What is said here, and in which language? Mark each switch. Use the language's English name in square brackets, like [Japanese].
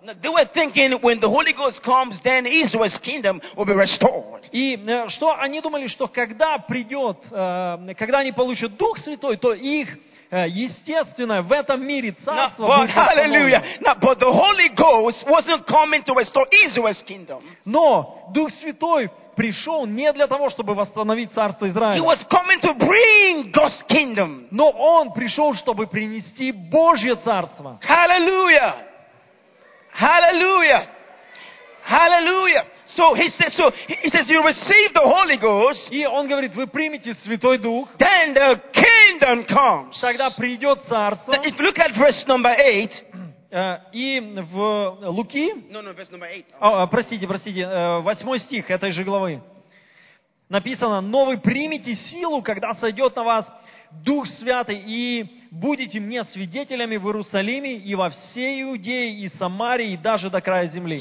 [English] They were thinking when the Holy Ghost comes, then Israel's kingdom will be restored. [Russian] И что они думали, что когда придет, когда они получат Дух Святой, то их естественно, в этом мире царство будет установлено. [English] Hallelujah. Now, but the Holy Ghost wasn't coming to restore Israel's kingdom. [Russian] Но Дух Святой пришел не для того, чтобы восстановить царство Израиля. [English] He was coming to bring God's kingdom. [Russian] Но он пришел, чтобы принести Божье царство. [English] Hallelujah. Hallelujah. Hallelujah. So he says. So he says, you receive the Holy Ghost. [Russian] И он говорит, вы примете Святой Дух. [English] Then the kingdom comes. [Russian] Тогда придет царство. [English] If you look at verse number 8. [Russian] И в Луки. [English] No, verse number 8. [Russian] Oh, простите, 8 стих этой же главы. Написано, но вы примете силу, когда сойдет на вас Дух Святый, и будете мне свидетелями в Иерусалиме и во всей Иудее и Самарии и даже до края земли.